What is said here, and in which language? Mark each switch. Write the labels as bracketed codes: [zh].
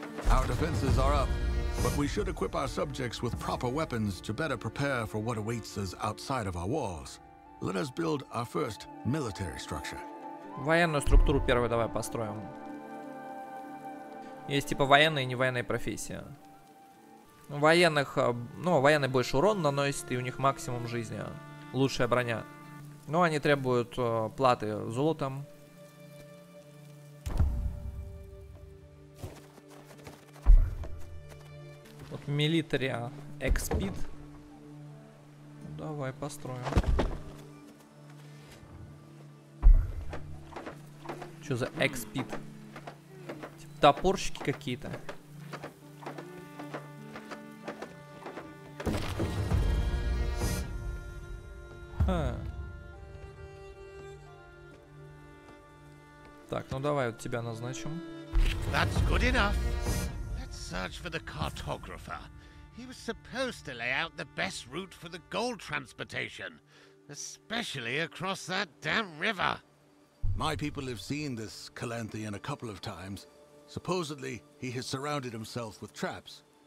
[en] Our defenses are up, but we should equip our subjects with proper weapons to better prepare for what awaits us outside of our walls. Let us build our first military structure. [ru] Военную структуру первую давай построим. Есть типа военные и невоенные профессии. Военных, ну, военный больше урон наносит, и у них максимум жизни. Лучшая броня. Но они требуют платы золотом. Вот милитария экспит. Давай построим. Что за экспит? Типа топорщики какие-то. Ха. Так, ну давай вот тебя назначим. [en] That's good enough. Let's search for the cartographer. He was supposed to lay out the best route for the gold transportation, especially across that damn river. My people have seen this Calanthian a couple of times. Supposedly, he has surrounded himself with traps.